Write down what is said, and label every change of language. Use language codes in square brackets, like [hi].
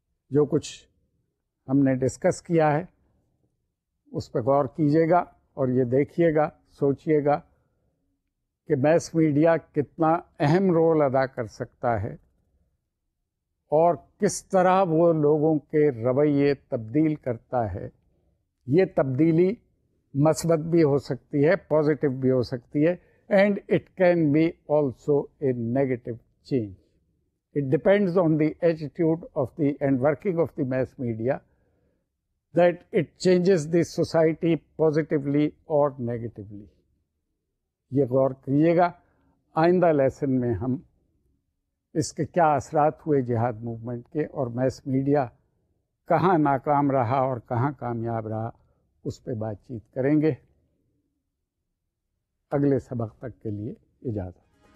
[ur] جو کچھ ہم نے ڈسکس کیا ہے اس پہ غور کیجیے گا، اور یہ دیکھیے گا، سوچیے گا کہ میس میڈیا کتنا اہم رول ادا کر سکتا ہے اور کس طرح وہ لوگوں کے رویے تبدیل کرتا ہے. یہ تبدیلی مثبت بھی ہو سکتی ہے، پازیٹیو بھی ہو سکتی ہے، [en] And it can be also a negative change. It depends on the attitude of the and working of the mass media that it changes the society positively or negatively. [ur] یہ غور کیجیے گا. آئندہ لیسن میں ہم اس کے کیا اثرات ہوئے جہاد موومنٹ کے، اور میس میڈیا کہاں ناکام رہا اور کہاں کامیاب رہا، اس پہ بات چیت کریں گے. اگلے سبق تک کے لیے اجازت.